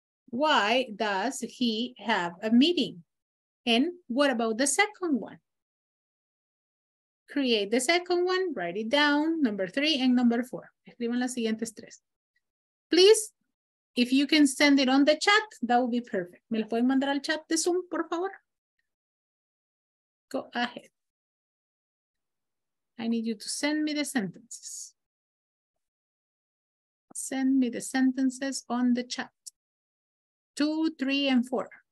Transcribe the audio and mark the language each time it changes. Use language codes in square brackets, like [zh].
[en] Why does he have a meeting? And what about the second one? Create the second one, write it down, number three and number four. [es] Escriban las siguientes tres. [en] Please, if you can send it on the chat, that would be perfect. [es] ¿Me lo pueden mandar al chat de Zoom, por favor? [en] Go ahead. I need you to send me the sentences. Send me the sentences on the chat. 2, 3, and 4.